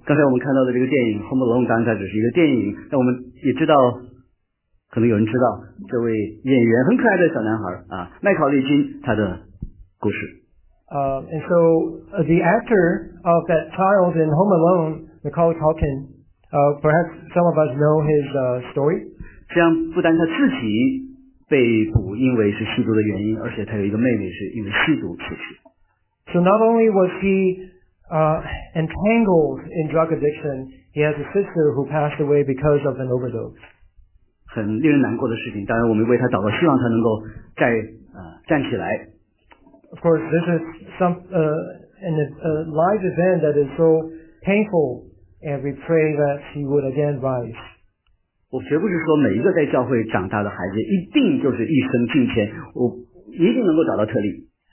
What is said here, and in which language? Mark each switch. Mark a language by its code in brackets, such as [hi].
[zh] 刚才我们看到的这个电影《Home Alone》刚才只是一个电影，那我们也知道，可能有人知道这位演员很可爱的小男孩啊，麦考利金他的故事。 [en] And so the actor of that child in Home Alone, Macaulay Culkin. Perhaps some of us know his story. [zh] 这样不单他自己被捕因为是吸毒的原因而且他有一个妹妹是因为吸毒出去。 [en] So not only was he entangled in drug addiction, he has a sister who passed away because of an overdose. [zh] 很令人难过的事情当然我们为他祷告希望他能够再站起来。 [en] Of course, this is some, a live event that is so painful. And we pray that he would again rise. [zh] 我绝不是说每一个在教会长大的孩子一定就是一生敬虔，我一定能够找到特例。